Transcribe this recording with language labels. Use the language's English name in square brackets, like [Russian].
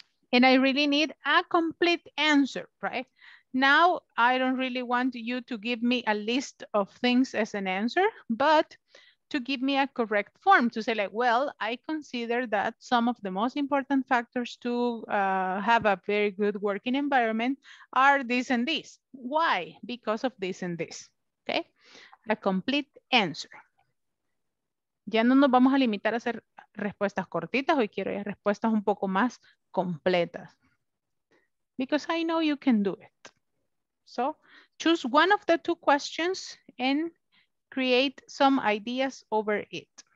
[English] And I really need a complete answer, right? Now, I don't really want you to give me a list of things as an answer, but to give me a correct form to say like, well, I consider that some of the most important factors to have a very good working environment are this and this. Why? Because of this and this, okay? A complete answer. [Spanish] ya no nos vamos a limitar a hacer respuestas cortitas. Hoy quiero ya respuestas un poco más completas. [English] Because I know you can do it. So, choose one of the two questions and create some ideas over it.